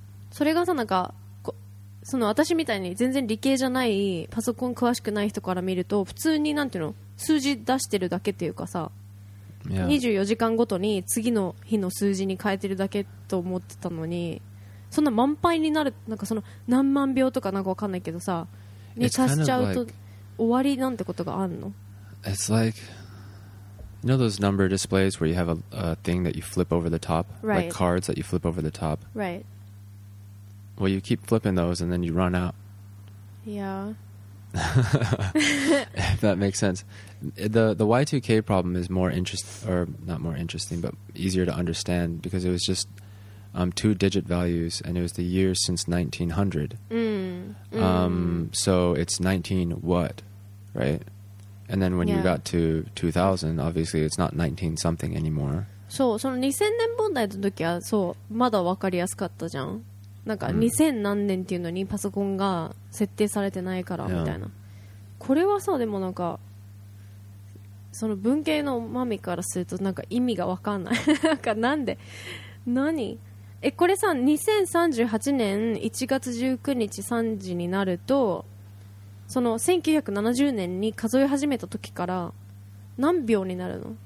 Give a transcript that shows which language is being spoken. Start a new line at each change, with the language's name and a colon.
Japanese: それがさ、なんかその私みたいに全然理系じゃない、パソコン詳しくない人から見ると、普通になんていうの、数字出してるだけっていうかさ、24時間ごとに次の日の数字に変えてるだけと思ってたのに、そんな満杯になる、なんかその何万秒とかなんか分かんないけどさに足しちゃうと終わりなんてことがあんの。
English: It's like, you know those number displays where you have a thing that you flip over the top, right? Like cards that you flip over the top, right? Well, you keep flipping those and then you run out. Yeah. If that makes sense. The Y2K problem is more interesting, or not more interesting, but easier to understand, because it was just two digit values and it was the year since 1900. Mm. So it's 19 what, right? And then when you got to 2000, obviously it's not 19 something anymore.
Japanese: So, その2000年問題の時は、そう、まだ分かりやすかったじゃん。なんか2000何年っていうのにパソコンが設定されてないからみたいな、yeah. これはさ、でもなんかその文系のマミからするとなんか意味が分かんないなんかなんで、何、え、これさ、2038年1月19日3時になると、その1970年に数え始めた時から何秒になるの。